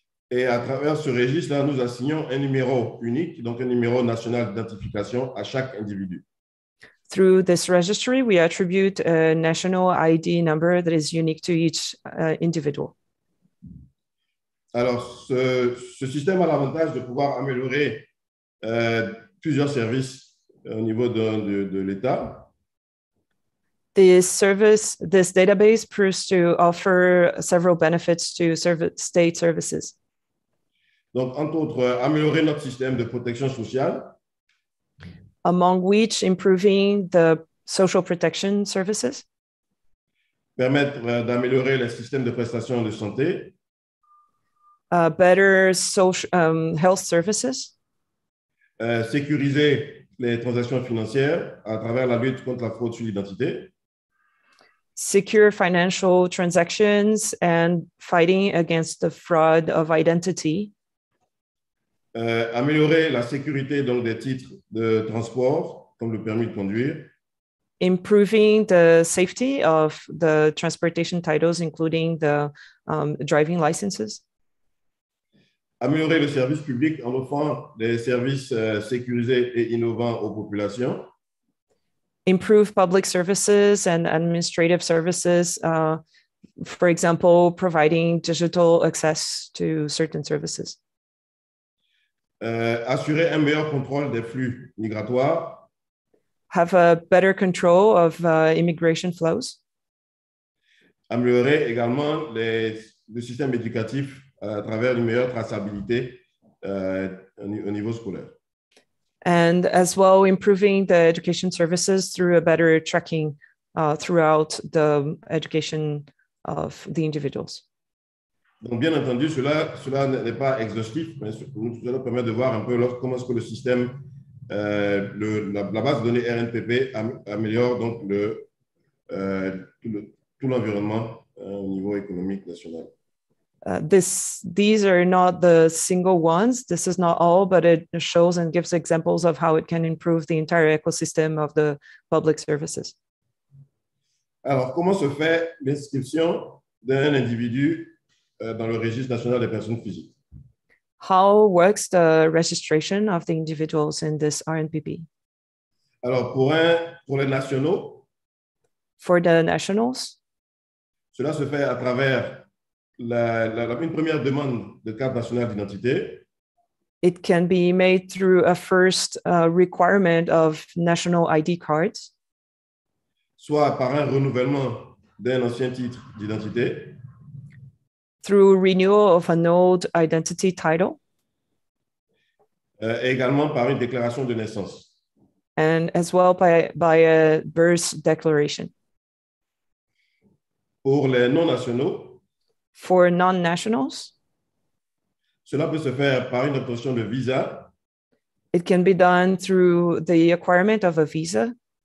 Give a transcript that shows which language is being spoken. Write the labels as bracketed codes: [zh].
[fr] Et à travers ce registre-là, nous assignons un numéro unique, donc un numéro national d'identification à chaque individu. [en] Through this registry, we attribute a national ID number that is unique to each individual. [fr] Alors, ce système a l'avantage de pouvoir améliorer plusieurs services au niveau de l'État. [en] This database proves to offer several benefits to state services. [fr] Donc, entre autres, améliorer notre système de protection sociale. [en] Among which, improving the social protection services. [fr] Permettre d'améliorer les systèmes de prestations de santé. [en] Better social health services. [fr] Sécuriser les transactions financières à travers la lutte contre la fraude sur l'identité. [en] Secure financial transactions and fighting against the fraud of identity. [fr] Améliorer la sécurité donc des titres de transport comme le permis de conduire. [en] Improving the safety of the transportation titles, including the driving licenses. [fr] Améliorer le service public en offrant des services sécurisés et innovants aux populations. [en] Improve public services and administrative services, for example, providing digital access to certain services. [fr] Assurer un meilleur contrôle des flux migratoires. [en] Have a better control of immigration flows. [fr] Améliorer également le système éducatif à travers une meilleure traçabilité au niveau scolaire. [en] And as well, improving the education services through a better tracking throughout the education of the individuals. [fr] Donc, bien entendu, cela n'est pas exhaustif, mais cela permet de voir un peu comment est-ce que le système la base de données RNPP améliore donc tout l'environnement au niveau économique national. [en] These are not the single ones. This is not all, but it shows and gives examples of how it can improve the entire ecosystem of the public services. [fr] Alors, comment se fait l'inscription d'un individu dans le registre national des personnes physiques? [en] How works the registration of the individuals in this RNPP? [fr] Alors, pour les nationaux? [en] For the nationals? [fr] Cela se fait à travers une première demande de carte nationale d'identité. [en] It can be made through a first requirement of national ID cards. [fr] Soit par un renouvellement d'un ancien titre d'identité. [en] Through renewal of an old identity title. [fr] Et également par une déclaration de naissance. [en] And as well by a birth declaration. [fr] Pour les non-nationaux. [en] For non-nationals. [fr] Cela peut se faire par une obtention de visa. [en] It can be done through the acquirement of a visa.